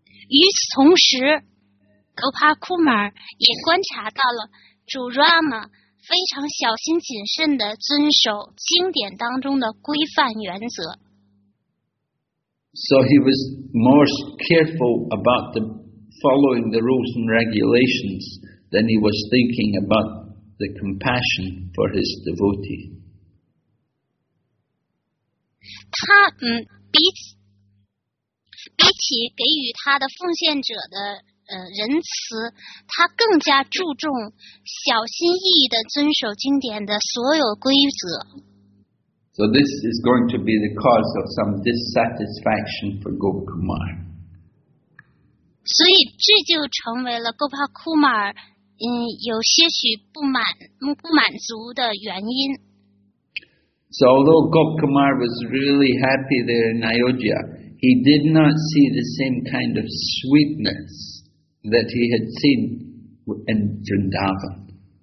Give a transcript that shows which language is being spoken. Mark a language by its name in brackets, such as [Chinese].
[Chinese] 与此同时 ，Gopa Kumar 也观察到了主 Rama 非常小心谨慎地遵守经典当中的规范原则。 [English] So he was more careful about the following the rules and regulations. Then he was thinking about the compassion for his devotee. [Chinese] 他比起给予他的奉献者的仁慈，他更加注重小心翼翼地遵守经典的所有规则。 [English] So this is going to be the cause of some dissatisfaction for Gop Kumar. [Chinese] 所以这就成为了 Gopa Kumar。有些许不满足的原因。 [English] So although Gop Kumar was really happy there in Ayodhya, he did not see the same kind of sweetness that he had seen in Vrindavan.